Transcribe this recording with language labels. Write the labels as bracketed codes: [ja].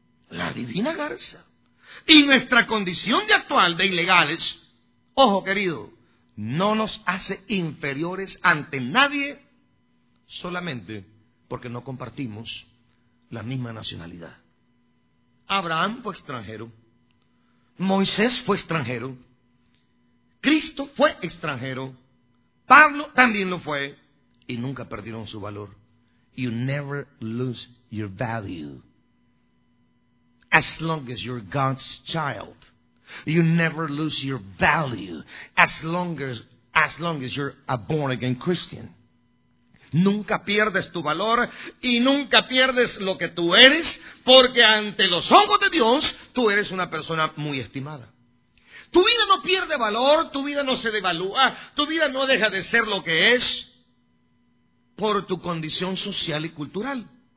[es] La divina garza. Y nuestra condición de actual de ilegales, ojo querido, no nos hace inferiores ante nadie solamente porque no compartimos la misma nacionalidad. Abraham fue extranjero, Moisés fue extranjero, Cristo fue extranjero, Pablo también lo fue, y nunca perdieron su valor. [en] You never lose your value. As long as you're God's child, you never lose your value. As long as you're a born-again Christian. [es] Nunca pierdes tu valor y nunca pierdes lo que tú eres, porque ante los ojos de Dios, tú eres una persona muy estimada. Tu vida no pierde valor, tu vida no se devalúa, tu vida no deja de ser lo que es por tu condición social y cultural.